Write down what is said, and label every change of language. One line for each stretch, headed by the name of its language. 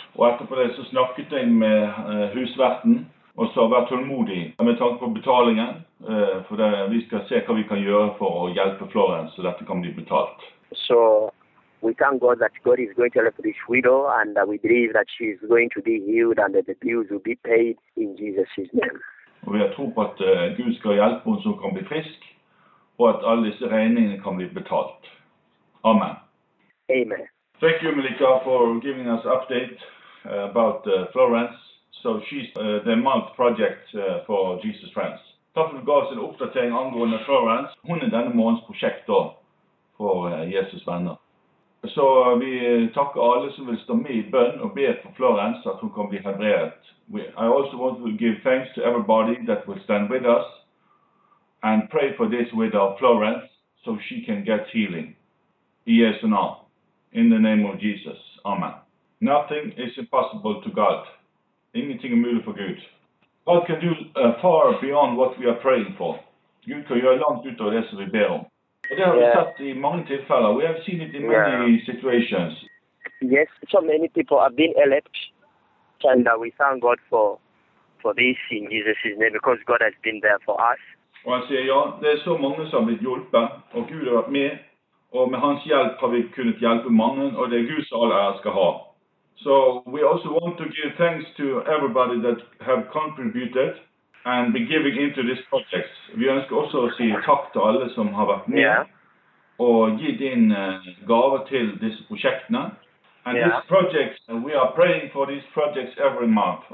Norwegian: Og etterpå det så snakket jeg med husverten og så vært tålmodig med tanke på betalingen, for det, vi skal se hva vi kan gjøre for å hjelpe Florence så dette kan bli betalt.
English: So, we thank God that God is going to help this widow and we believe that she is going to be healed and that the bills will be paid in Jesus' name.
Norwegian: Og vi har tro på at Gud skal hjelpe henne så hun kan bli frisk og at alle disse regningene kan bli betalt. Amen.
English: Amen. Thank you, Melika, for giving us update about Florence. So she's the month project for Jesus Friends.
Norwegian: Takk for at du gav oss en oppdatering angående Florence. Hun er denne måneds prosjekt da for Jesus venner. Så vi takker alle som vil stå med i bønn og be for Florence at hun kan bli helbredet.
English: I also want to give thanks to everybody that will stand with us and pray for this widow Florence so she can get healing. Yes and all. In the name of Jesus. Amen. Nothing is impossible to God.
Norwegian: Ingenting er mulig for Gud.
English: God can do far beyond what we are praying for.
Norwegian: Gud kan gjøre langt utover det som vi ber om. Og det har vi sett i mange tilfeller.
English: We have seen it in many situations. Yes, so many people have been helped. And we thank God for this in Jesus' name because God has been there for us.
Norwegian: Og han sier ja, det er så mange som har blitt hjulpet. Og Gud har vært med. Og med hans hjelp har vi kunnet hjelpe mange. Og det er Gud som alle ære skal ha.
English: So we also want to give thanks to everybody that have contributed and be giving into this project.
Norwegian: Vi ønsker også å si takk til alle som har vært med og gitt inn gave til disse prosjektene.
English: And this project, we are praying for these projects every month.